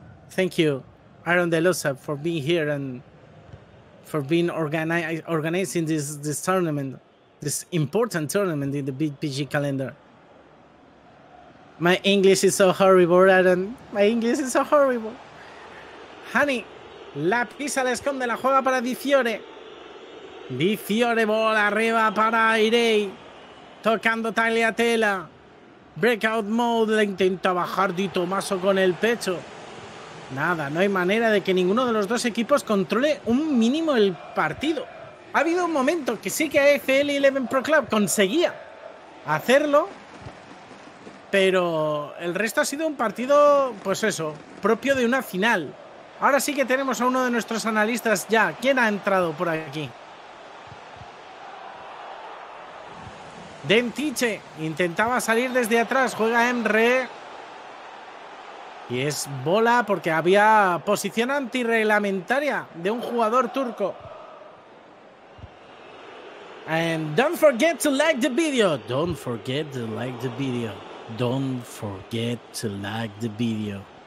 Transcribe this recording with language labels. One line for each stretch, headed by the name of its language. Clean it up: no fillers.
English: Thank you, Aaron De Losa, for being here and for being organizing this tournament, this important tournament in the big PG calendar. My English is so horrible, Aaron. My English is so horrible.
Spanish: Hani, la pisa, la esconde, la juega para Di Fiore. Di Fiore, bola arriba para Irei. Tocando Tagliatella.
English: Breakout mode.
Spanish: La intenta bajar Di Tomaso con el pecho. Nada, no hay manera de que ninguno de los dos equipos controle un mínimo el partido. Ha habido un momento que sí que AFL 11 Pro Club conseguía hacerlo. Pero el resto ha sido un partido, pues eso, propio de una final. Ahora sí que tenemos a uno de nuestros analistas ya. ¿Quién ha entrado por aquí? Dentiche intentaba salir desde atrás, juega Emre. Y es bola porque había posición antirreglamentaria de un jugador turco.
English: And don't forget to like the video. Don't forget to like the video. Don't forget to like the video.